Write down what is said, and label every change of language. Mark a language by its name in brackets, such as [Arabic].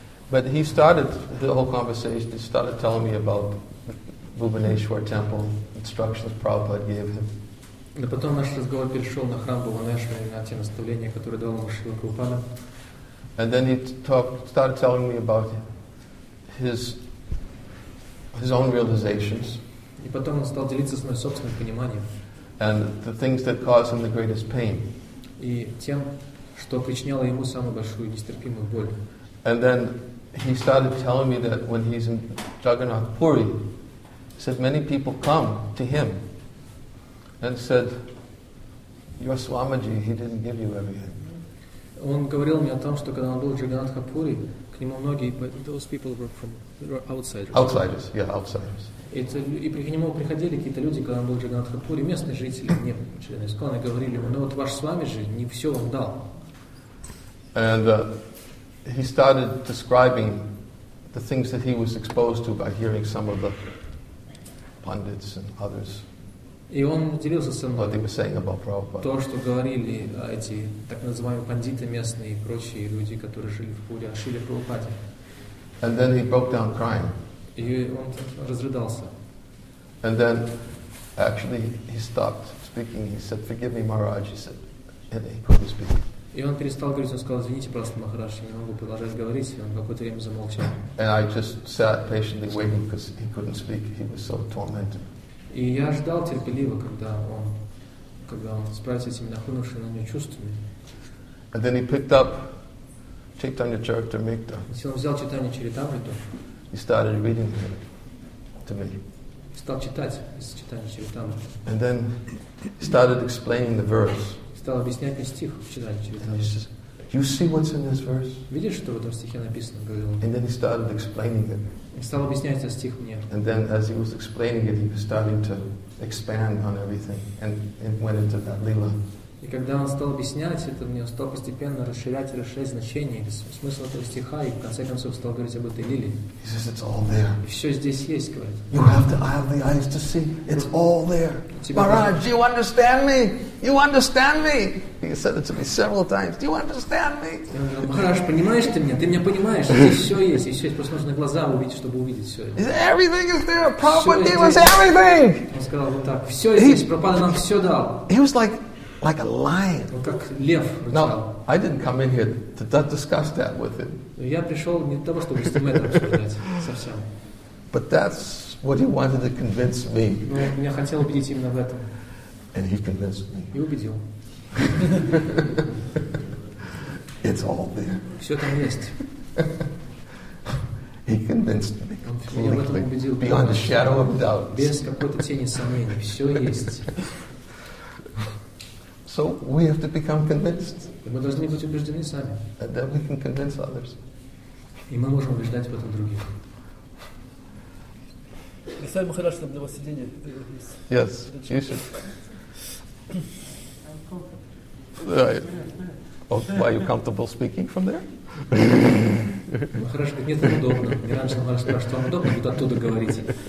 [English] But he started the whole conversation, he started telling me about Bhubaneswar temple, instructions Prabhupada gave him. [Russian] Да потом наш разговор перешел на храм Бхубанешвар и на те наставления, которые дал ему Шрила Прабхупада. [English] And then he started telling me about his own realizations. [Russian] И потом он стал делиться с моим собственным пониманием. [English] And the things that caused him the greatest pain. [Russian] И тем, что причиняло ему самую большую нестерпимую боль. [English] And then he started telling me that when he's in Jagannath Puri, he said many people come to him and said, your Swamiji, he didn't give you everything. [Russian] Он говорил мне о том, что когда он был в Джаганатхапури, к нему многие, [English] but those people were from outsiders. Outsiders, yeah, outsiders. [Russian] И к нему приходили какие-то люди, когда он был в Джаганатхапури, местные жители, не члены Искона, говорили ему, ну вот ваш Свами же не все вам дал. [English] And he started describing the things that he was exposed to by hearing some of the pundits and others. [Russian] И он делился со мной то, что говорили эти так называемые пандиты местные и прочие люди, которые жили в Пуре, о Шриле Прабхупаде. [English] And then he broke down crying. [Russian] И он разрыдался. [English] And then actually he stopped speaking. He said, "Forgive me, Maharaj." He said, and he couldn't speak. [Russian] И он перестал говорить, он сказал, извините, пожалуйста, Махарадж, я не могу продолжать говорить, и он какое-то время замолчал. [English] And I just sat patiently waiting because he couldn't speak. He was so tormented. [Russian] И я ждал терпеливо, когда он справится с этими нахлынувшими на него чувствами. [English] And then he picked up Chaitanya Charitamrita. [Russian] И он взял Чайтанья Чаритамриту. [English] He started reading it to me. [Russian] И стал читать из Чайтанья Чаритамриты. [English] And then he started explaining the verse. [Russian] И стал объяснять мне стих в Чайтанья Чаритамриту. [English] And he says, "You see what's in this verse?" [Russian] Видишь, что в этом стихе написано, говорил он. [English] And then he started explaining it. [Russian] И стал объяснять этот стих мне. [English] And then, as he was explaining it, he was starting to expand on everything, and it went into that lila. [Russian] И когда он стал объяснять это мне, он стал постепенно расширять и расширять значение или смысл этого стиха, и в конце концов стал говорить об этой лиле. [English] He says it's all there. [Russian] И все здесь есть, говорит. [English] You have to have the eyes to see. It's all there. Maharaj, you understand me? You understand me? He said it to me several times. Do you understand me? [Russian] Maharaj, понимаешь ты меня? Ты меня понимаешь? Здесь все есть. Здесь все есть. Просто нужно глаза увидеть, чтобы увидеть все это. [English] Everything is there. Prabhupada gave us everything. [Russian] Он сказал вот так. Все здесь. Прабхупада нам все дал. [English] He was like a lion. [Russian] Он как лев. [English] Now, I didn't come in here to discuss that with him. [Russian] Я пришел не для того, чтобы с ним это обсуждать совсем. [English] But that's what he wanted to convince me. [Russian] Меня хотел убедить именно в этом. [English] And he convinced me. [Russian] И убедил. [English] It's all there. [Russian] Все там есть. [English] He convinced me. [Russian] Меня в этом убедил. [English] Beyond a shadow of doubt. [Russian] Без какой-то тени сомнений. Все есть. [English] So we have to become convinced. [Russian] И мы должны быть убеждены сами. [English] And then we can convince others. [Russian] И мы можем убеждать в этом других. Представим Махарашна для вас сиденье. [English] Yes, you should. Oh, why are you comfortable speaking from there? [Russian] Махарашна, нет, неудобно. Не раньше Махарашна спрашивает, что вам удобно, будто оттуда говорите.